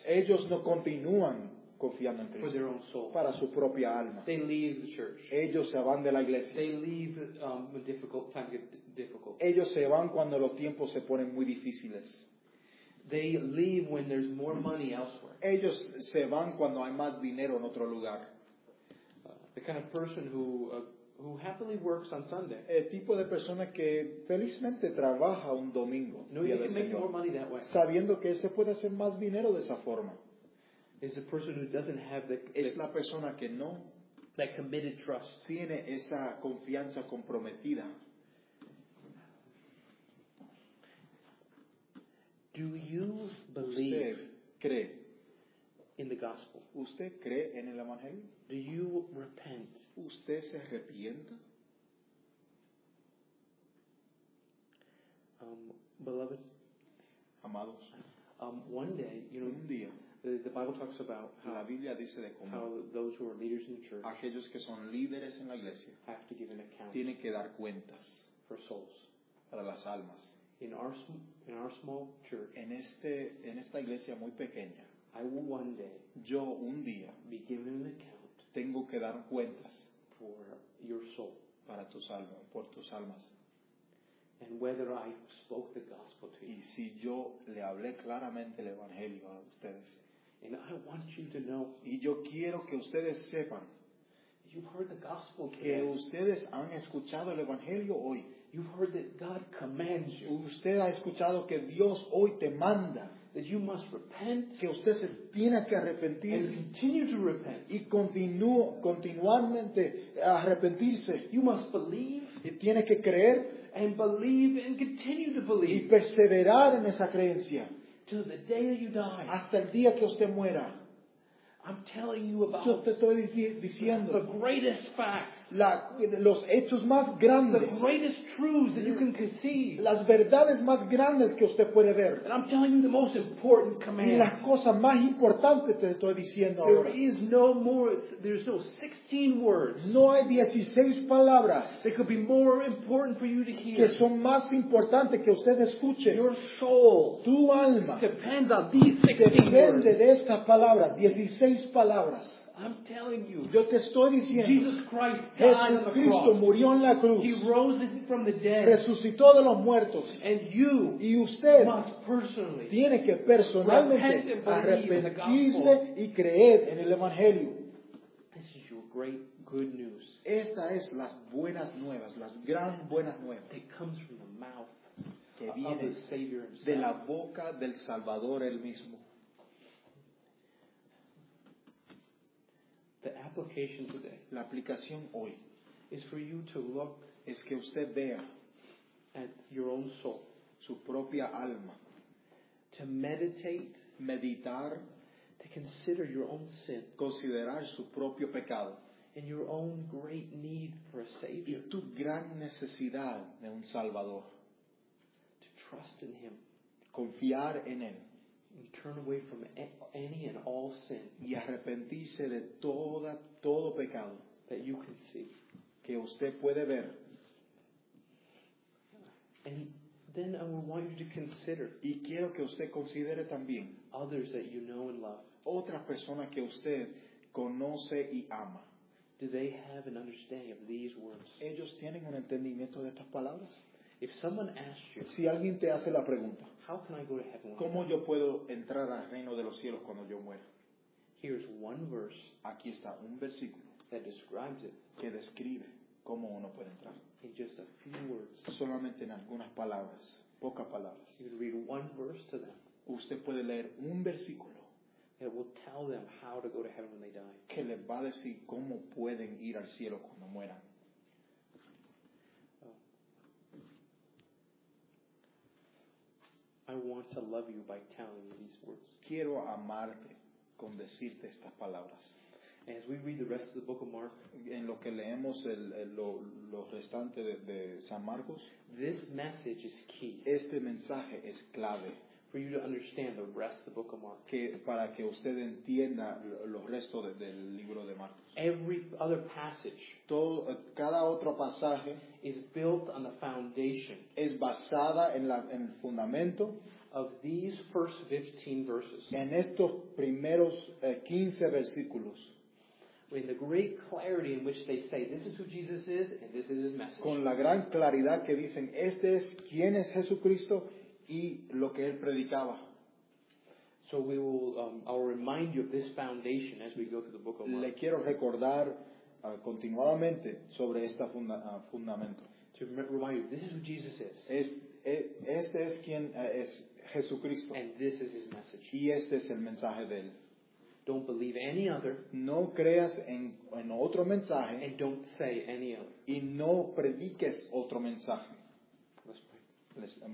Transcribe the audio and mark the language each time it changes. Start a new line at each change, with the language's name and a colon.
Spanish: Ellos no continúan confiando en Cristo
English: for their own soul.
Spanish: Para su propia alma.
English: They leave the church.
Spanish: Ellos se van de la iglesia.
English: They leave when difficult times get difficult.
Spanish: Ellos se van cuando los tiempos se ponen muy difíciles.
English: They leave when there's more money elsewhere.
Spanish: Ellos se van cuando hay más dinero en otro lugar.
English: The kind of person who who happily works on Sunday.
Spanish: El tipo de persona que felizmente trabaja un domingo.
English: No, you can make more money that way.
Spanish: Sabiendo que se puede hacer más dinero de esa forma.
English: Is the person who doesn't have the
Spanish: es la persona que no
English: that committed trust.
Spanish: Tiene esa confianza comprometida.
English: Do you believe
Spanish: usted cree
English: in the gospel?
Spanish: ¿Usted cree en el evangelio?
English: Do you repent?
Spanish: ¿Usted se arrepiente?
English: Beloved,
Spanish: amados,
English: one day, you know,
Spanish: un día,
English: the Bible talks about how,
Spanish: la Biblia dice de cómo,
English: how those who are leaders in the church,
Spanish: aquellos que son líderes en la iglesia,
English: have to give an account,
Spanish: tienen que dar cuentas,
English: for souls,
Spanish: para las almas.
English: In our small church,
Spanish: en esta iglesia muy pequeña,
English: I will one day,
Spanish: yo un día,
English: be given an account.
Spanish: Tengo que dar cuentas
English: for your soul.
Spanish: Para tus almas, por tus almas.
English: And whether I spoke the gospel to you.
Spanish: Y si yo le hablé claramente el evangelio a ustedes.
English: And I want you to know,
Spanish: y yo quiero que ustedes sepan,
English: you've heard the gospel today.
Spanish: Que ustedes han escuchado el evangelio hoy.
English: You've heard that God commands you.
Spanish: Usted ha escuchado que Dios hoy te manda.
English: That you must repent.
Spanish: Que usted se tiene que arrepentir.
English: And continue to repent.
Spanish: Y continuamente arrepentirse.
English: You must believe.
Spanish: Y tiene que creer.
English: And believe and continue to believe.
Spanish: Y perseverar en esa creencia.
English: Till the day that you die.
Spanish: Hasta el día que usted muera.
English: I'm telling you about.
Spanish: Yo te estoy diciendo.
English: The greatest facts.
Spanish: Los hechos más grandes.
English: The greatest truths that you can conceive.
Spanish: Las verdades más grandes que usted puede ver.
English: And I'm telling you the most important command.
Spanish: Y las cosas más importantes te estoy diciendo
English: there
Spanish: ahora.
English: There is no more. There's no 16 words.
Spanish: No hay 16 palabras.
English: That could be more important for you to hear.
Spanish: Que son más importantes que usted escuche.
English: Your soul.
Spanish: Tu alma.
English: Depend on these 16
Spanish: depende
English: words.
Spanish: De estas palabras. 16 palabras.
English: I'm telling you.
Spanish: Yo te estoy diciendo.
English: Jesus Christ died on the cross.
Spanish: Jesucristo murió en la cruz.
English: He rose from the dead.
Spanish: Resucitó de los muertos.
English: And you.
Spanish: Y usted.
English: Must personally.
Spanish: Tiene que personalmente.
English: Repent and believe
Spanish: arrepentirse y creer en el evangelio.
English: This is your great good news.
Spanish: Esta es las buenas nuevas, las gran buenas nuevas.
English: It comes from the mouth.
Spanish: Que viene
English: of the Savior himself.
Spanish: De la boca del Salvador él mismo.
English: The application today.
Spanish: La aplicación hoy.
English: Is for you to look.
Spanish: Es que usted vea.
English: At your own soul.
Spanish: Su propia alma.
English: To meditate.
Spanish: Meditar.
English: To consider your own sin.
Spanish: Considerar su propio pecado.
English: And your own great need for a Savior.
Spanish: Y tu gran necesidad de un Salvador.
English: To trust in Him.
Spanish: Confiar en Él.
English: And turn away from any and all sin.
Spanish: Y arrepentirse de todo pecado.
English: That you can see.
Spanish: Que usted puede ver.
English: And then I would want you to consider.
Spanish: Y quiero que usted considere también.
English: Others that you know and love.
Spanish: Otra persona que usted conoce y ama.
English: Do they have an understanding of these words?
Spanish: ¿Ellos tienen un entendimiento de estas palabras?
English: If someone asks you.
Spanish: Si alguien te hace la pregunta.
English: How can I go to heaven?
Spanish: ¿Cómo yo puedo entrar al reino de los cielos cuando yo muera?
English: Here's one verse.
Spanish: Aquí está un versículo.
English: That describes it.
Spanish: Que describe cómo uno puede entrar.
English: In just a few words.
Spanish: Solamente en algunas palabras. Pocas palabras.
English: You can read one verse to them.
Spanish: Usted puede leer un versículo.
English: that will tell them how to go to heaven when they die.
Spanish: Que les va a decir cómo pueden ir al cielo cuando mueran.
English: I want to love you by telling you these words.
Spanish: Quiero amarte con decirte estas palabras.
English: As we read the rest of the book of Mark,
Spanish: en lo que leemos lo restante de San Marcos,
English: this message is key.
Spanish: Este mensaje es clave.
English: For you to understand the rest of the book of Mark.
Spanish: Que para que usted entienda lo resto del libro de Marcos.
English: Every other passage.
Spanish: Todo, cada otro pasaje.
English: Is built on the foundation.
Spanish: Es basada en el fundamento.
English: Of these first 15 verses.
Spanish: En estos primeros 15 versículos.
English: In the great clarity in which they say, this is who Jesus is, and this is his message.
Spanish: Con la gran claridad que dicen, este es quien es Jesucristo, y lo que él predicaba.
English: So we will, I'll remind you of this foundation as we go through the book of Mark.
Spanish: Le quiero recordar continuamente sobre esta fundamento.
English: To remind you, this is who Jesus is.
Spanish: Este es quien es Jesucristo.
English: And this is his message.
Spanish: Y este es el mensaje de él.
English: Don't believe any other.
Spanish: No creas en otro mensaje.
English: And don't say any other.
Spanish: Y no prediques otro mensaje.
English: Let's pray.